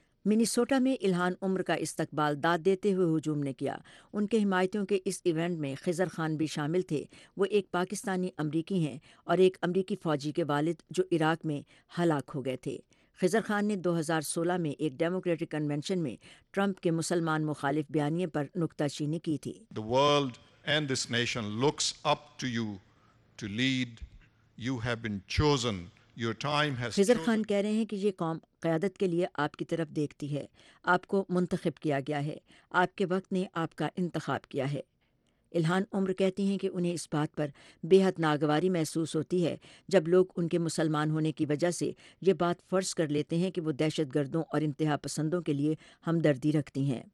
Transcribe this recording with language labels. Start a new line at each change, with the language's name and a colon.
Urdu: Minnesota میں الہان عمر کا استقبال داد دیتے ہوئے ہجوم نے کیا۔ ان کے حمایتیوں کے اس ایونٹ میں خضر خان بھی شامل تھے۔ وہ ایک پاکستانی امریکی ہیں اور ایک امریکی فوجی کے والد جو عراق میں ہلاک ہو گئے تھے۔ خضر خان نے 2016 میں ایک ڈیموکریٹک کنونشن میں ٹرمپ کے مسلمان مخالف بیانیے پر نکتہ چینی کی تھی۔
English: The world and this nation looks up to you to lead. You have been chosen
Urdu: خضر خان کہہ رہے ہیں کہ یہ قوم قیادت کے لیے آپ کی طرف دیکھتی ہے، آپ کو منتخب کیا گیا ہے، آپ کے وقت نے آپ کا انتخاب کیا ہے۔ الہان عمر کہتی ہیں کہ انہیں اس بات پر بے حد ناگواری محسوس ہوتی ہے جب لوگ ان کے مسلمان ہونے کی وجہ سے یہ بات فرض کر لیتے ہیں کہ وہ دہشت گردوں اور انتہا پسندوں کے لیے ہمدردی رکھتی ہیں۔